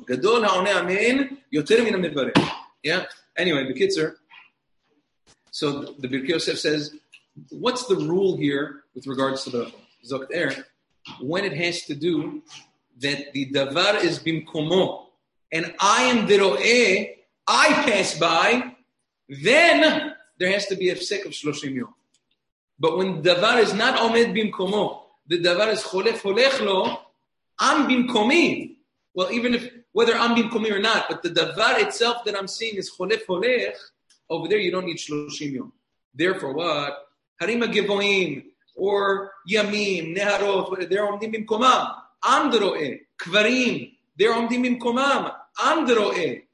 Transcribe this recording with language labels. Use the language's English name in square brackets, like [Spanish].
[Hebrew] גדול העונה אמן יותר מן המברך. [English] Yeah? Anyway, בקיצר, so the Birkei Yosef says, what's the rule here with regards to the Zokt Er? When it has to do that the דבר is במקומו, and I am the Roe, I pass by, then there has to be a sick of 30 יום. But when דבר is not עומד במקומו, the דבר is חולף הולך לו, I'm במקומי. Well, even if, whether I'm being komi or not, but the davar itself that I'm seeing is cholef holech, over there you don't need 30 yom. Therefore what? Harim ha-givoyim, or yamim, neharot, they're omdim bim komam, am deroeh, kvarim, they're omdim bim komam, am deroeh.